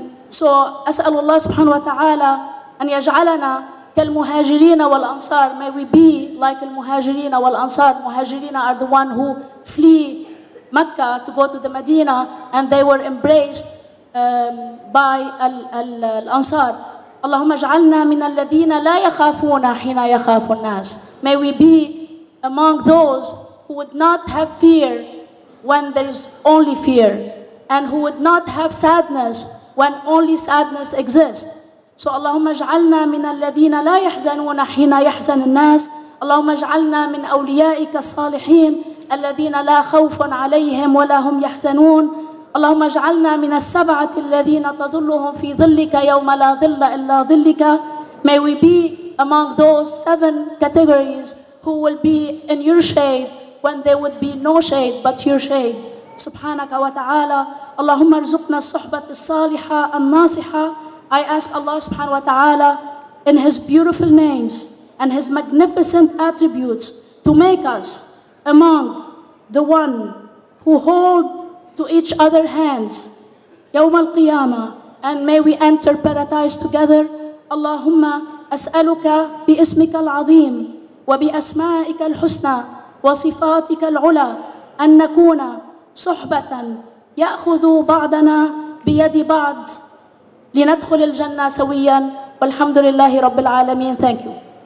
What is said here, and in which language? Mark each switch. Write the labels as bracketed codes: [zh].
[ar] So أسأل الله سبحانه وتعالى أن يجعلنا كالمهاجرين والأنصار. [en] May we be like [ar] المهاجرين والأنصار. [en] مهاجرين are the one who flee Mecca to go to the Medina and they were embraced by الأنصار. [ar] اللهم اجعلنا من الذين لا يخافون حين يخاف الناس. [en] May we be among those who would not have fear when there is only fear and who would not have sadness when only sadness exists. [ar] So اللهم اجعلنا من الذين لا يحزنون حين يحزن الناس. اللهم اجعلنا من أوليائك الصالحين الذين لا خوف عليهم ولا هم يحزنون. اللهم اجعلنا من السبعة الذين تظلهم في ظلك يوم لا ظل إلا ظلك. [en] May we be among those seven categories who will be in your shade when there would be no shade but your shade. [ar] سبحانك وتعالى اللهم ارزقنا الصحبة الصالحة الناصحة. [en] I ask Allah [ar] سبحانه وتعالى [en] in his beautiful names and his magnificent attributes to make us among the one who hold to each other hands [ar] يوم القيامة [en] and may we enter paradise together. [ar] اللهم أسألك باسمك العظيم وبأسمائك الحسنى وصفاتك العلى أن نكون صحبة يأخذ بعضنا بيد بعض لندخل الجنة سويا. والحمد لله رب العالمين. [en] Thank you.